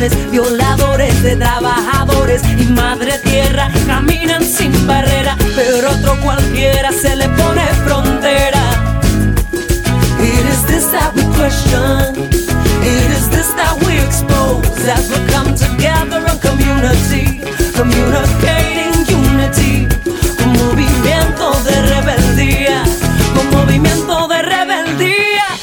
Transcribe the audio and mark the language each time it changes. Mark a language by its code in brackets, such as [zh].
[es] Violadores de trabajadores y madre tierra caminan sin barrera, pero otro cualquiera se le pone frontera. [en] It is this that we question, it is this that we expose, as we come together in community, communicating unity. [es] Un movimiento de rebeldía, un movimiento de rebeldía.